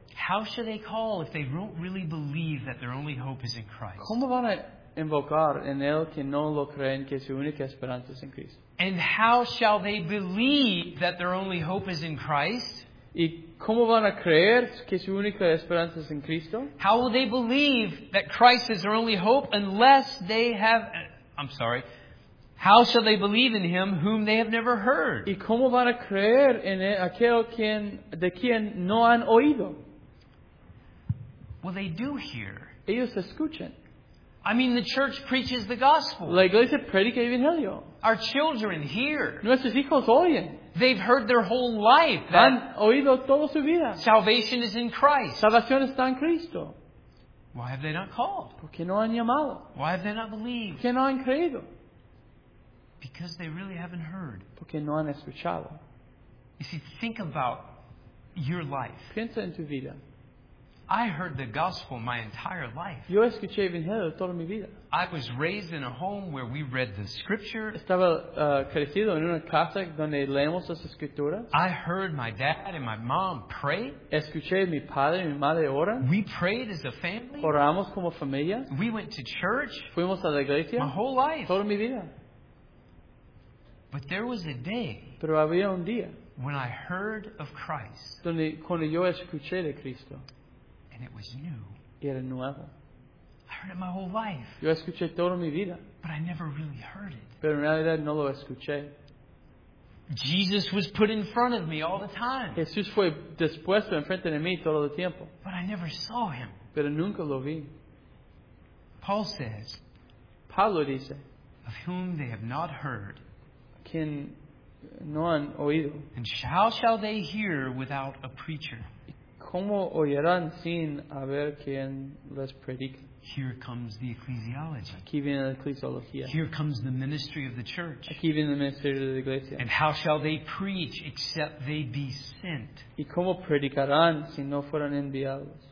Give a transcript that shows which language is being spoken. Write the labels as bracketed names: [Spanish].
[English] How should they call if they don't really believe that their only hope is in Christ? [Spanish] ¿Cómo van a invocar en él que no lo creen que su única esperanza es en Cristo? [English] And how shall they believe that their only hope is in Christ? [Spanish] ¿Y cómo van a creer que su única esperanza es en Cristo? [English] How will they believe that Christ is their only hope unless they have... I'm sorry. How shall they believe in him whom they have never heard? [Spanish] ¿Y cómo van a creer en aquel quien, de quien no han oído? [English] Well, they do hear. [Spanish] Ellos escuchan. [English] I mean, the church preaches the gospel. [Spanish] La iglesia predica el evangelio. [English] Our children hear. [Spanish] Nuestros hijos oyen. [English] They've heard their whole life. [Spanish] Han oído toda su vida. [English] Salvation is in Christ. [Spanish] Salvación está en Cristo. [English] Why have they not called? [Spanish] ¿Por qué no han llamado? [English] Why have they not believed? [Spanish] ¿Por qué no han creído? [English] Because they really haven't heard. [Spanish] Porque no han escuchado. [English] You see, think about your life. [Spanish] Piensa en tu vida. [English] I heard the gospel my entire life. [Spanish] Yo escuché evangelio toda mi vida. [English] I was raised in a home where we read the scripture. [Spanish] Estaba crecido en una casa donde leemos las escrituras. [English] I heard my dad and my mom pray. [Spanish] Escuché mi padre y mi madre oran. [English] We prayed as a family. [Spanish] Oramos como familia. [English] We went to church. [Spanish] Fuimos a la iglesia. [English] My whole life. [Spanish] Toda mi vida. [English] But there was a day. [Spanish] Pero había un día. [English] When I heard of Christ. [Spanish] Donde cuando yo escuché de Cristo. [English] And it was new. [Spanish] Era nuevo. [English] I heard it my whole life. [Spanish] Yo escuché toda mi vida. [English] But I never really heard it. [Spanish] Pero en realidad no lo escuché. [English] Jesus was put in front of me all the time. [Spanish] Jesús fue dispuesto enfrente de mí todo el tiempo. [English] But I never saw him. [Spanish] Pero nunca lo vi. [English] Paul says. [Spanish] Pablo dice. [English] Of whom they have not heard. [Spanish] Quien no han oído. [English] And how shall they hear without a preacher? [Spanish] ¿Cómo oyerán sin haber quien les predique? [English] Here comes the ecclesiology. [Spanish] Aquí viene la eclesiología. [English] Here comes the ministry of the church. [Spanish] Aquí viene el ministerio de la iglesia. [English] And how shall they preach except they be sent? [Spanish] ¿Y cómo predicarán si no fueran enviados?